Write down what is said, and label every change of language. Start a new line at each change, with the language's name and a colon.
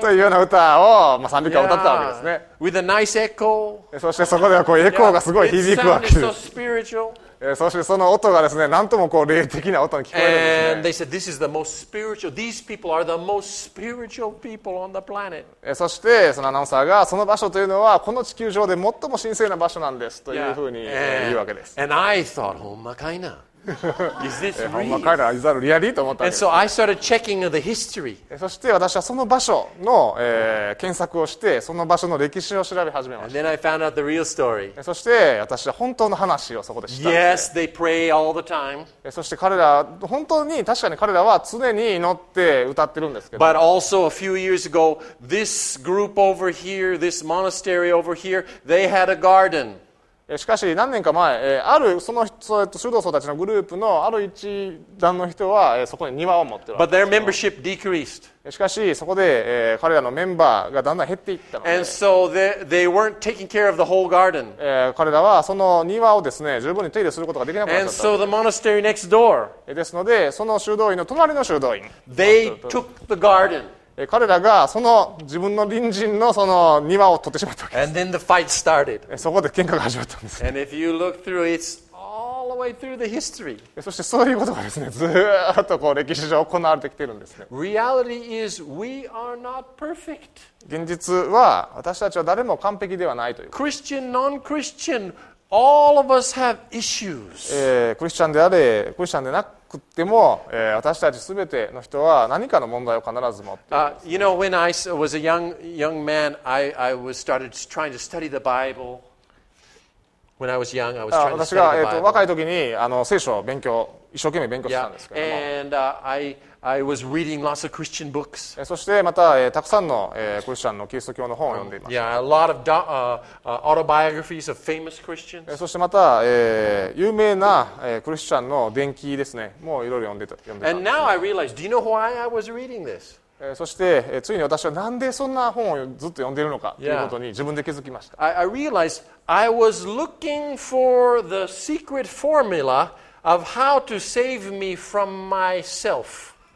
Japanese: というような歌を、まあ、賛美歌を歌ったわけですね。
English: With a nice echo.
Japanese: そしてそこではこうエコーがすごい響くわけです。
English: It sounded so spiritual.
Japanese: そしてその音がですね、なんともこう霊的な音に聞こえるんですね。
English: And they said, this is the most spiritual. These people are the most spiritual people on the planet.
Japanese: そしてそのアナウンサーが、その場所というのはこの地球上で最も神聖な場所なんですというふうに言うわけです。
English: And I thought,
Japanese: ほんまかいな。
English: Is this real?
Japanese: ほんまかいな、
English: is that really?
Japanese: と思ったんです。
English: And so I started checking the history.
Japanese: そして私はその場所の、検索をして、その場所の歴史を調べ始めました。
English: And then I found out the real story.
Japanese: そして私は本当の話をそこで知ったんです。
English: Yes, they pray all the time.
Japanese: そして彼ら、本当に確かに彼らは常に祈って歌ってるんですけど。
English: But also a few years ago, this group over here, this monastery over here, they had a garden.
Japanese: しかし何年か前、あるその修道僧たちのグループのある一団の人はそこに庭を持っているわけです。しかしそこで彼らのメンバーがだんだん減っていったので、
English: And so they weren't taking care of the whole garden.
Japanese: 彼らはその庭をですね、十分に手入れすることができなくなっちゃった。
English: And so the monastery next door.
Japanese: ですので、その修道院の隣の修道院。
English: They took the garden.
Japanese: 彼らがその自分の隣人のその庭を取ってしまったわけです。
English: And then the fight started.
Japanese: そこで喧嘩が始まったんです。
English: And if you look through, it's all the way through the history.
Japanese: そしてそういうことがですね、ずーっとこう歴史上行われてきているんですね。
English: Reality is we are not perfect.
Japanese: 現実は私たちは誰も完璧ではないという。
English: Christian, non-Christian, all of us have issues.
Japanese: クリスチャンであれ、クリスチャンでなく。食っても、私たちすべての人は何かの問題を必ず持っています。
English: You know, when I was a young man, I was started trying to study the Bible. When I was young, I was trying to study the Bible.
Japanese: 私が、若い時にあの聖書を勉強、一生懸命勉強したんですけども。
English: Yeah. And, I was reading lots of Christian books.
Japanese: そしてまた、たくさんの、クリスチャンのキリスト教の本を読んでいました。
English: Yeah, a lot of autobiographies of famous Christians.
Japanese: そしてまた、有名な、クリスチャンの伝記ですね。もういろいろ読んでた。
English: And now I realize, do you know why I was reading this?
Japanese: そしてついに私はなんでそんな本をずっと読んでいるのかということに自分で気づきました。
English: I realized I was looking for the secret formula of how to save me from myself.